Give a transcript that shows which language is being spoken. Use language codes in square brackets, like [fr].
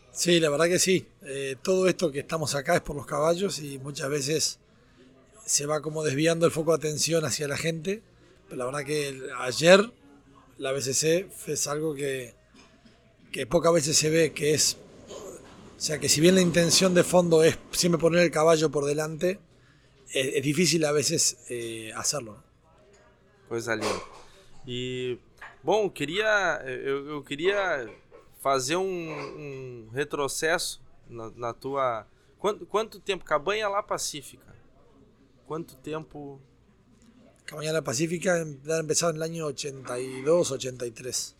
[pt] Sim, sí, a verdade que sim. Sí. Todo isso que estamos acá é por os cavalos e muitas vezes se vai como desviando o foco de atenção hacia a gente. Mas a verdade que ayer, a BCC fez algo que poucas vezes se vê, que é... [es] O sea, que si bien la intención de fondo es siempre poner el caballo por delante, es difícil a veces hacerlo. [pt] Coisa linda. E, bom, eu queria fazer um retrocesso na tua... Quanto tempo? Cabanha La Pacífica. Quanto tempo? Cabanha La Pacífica deve ter começado no ano 82, 83.